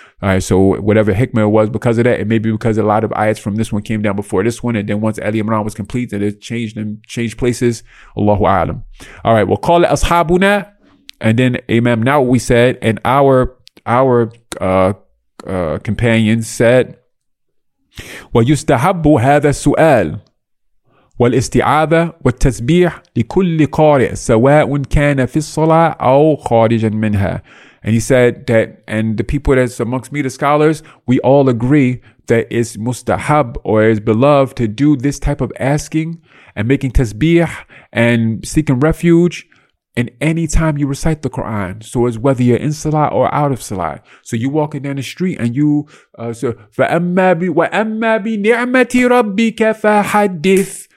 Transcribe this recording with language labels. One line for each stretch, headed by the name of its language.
English: All right, so whatever hikmah it was because of that, it may be because a lot of ayats from this one came down before this one, and then once Ali Imran was complete, it changed places. Allahu A'lam. All right, we'll call it Ashabuna, and then Imam Nawawi said, and our companions said,
Arabic: وَيُسْتَحَبُّ هَذَا السُّؤَالِ. والاستعاذة والتسبيح لكل قارئ سواء كان في الصلاة أو خارجا منها.
English: And he said that, and the people that's amongst me, the scholars, we all agree that it's mustahab or is beloved to do this type of asking and making tasbih and seeking refuge in any time you recite the Quran. So it's whether you're in salah or out of salah. So you walking down the street and you say,
Arabic: wa amma bi ni'mati rabbika fa hadith.